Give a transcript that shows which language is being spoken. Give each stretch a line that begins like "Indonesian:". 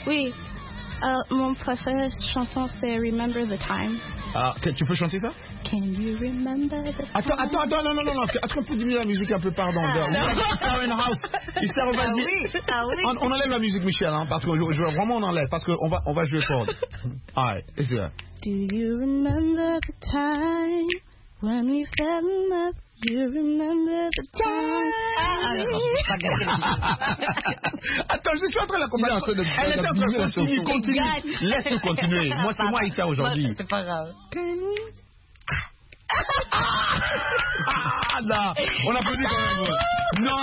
French: Oui. Mon préféré chanson, c'est Remember the Time. Ah, tu peux chanter ça?
English: Can you remember the time?
French: Attends, non. Est-ce qu'on peut diminuer la musique un peu, pardon? Star in House. Isaro, vas-y. Ah oui. On enlève la musique, Michel, hein, parce que je veux vraiment on enlève, parce qu'on va jouer fort.
English: Alright, let's do that. Do you remember the time when we fell in love? You remember the time?
French: Attends, je suis en train de la combattre. Elle est en train de continuer. Continue. Laisse continuer. Moi, c'est moi, Isaro, aujourd'hui. C'est pas grave.
English: Can you...
French: Là, on applaudit quand même. Non.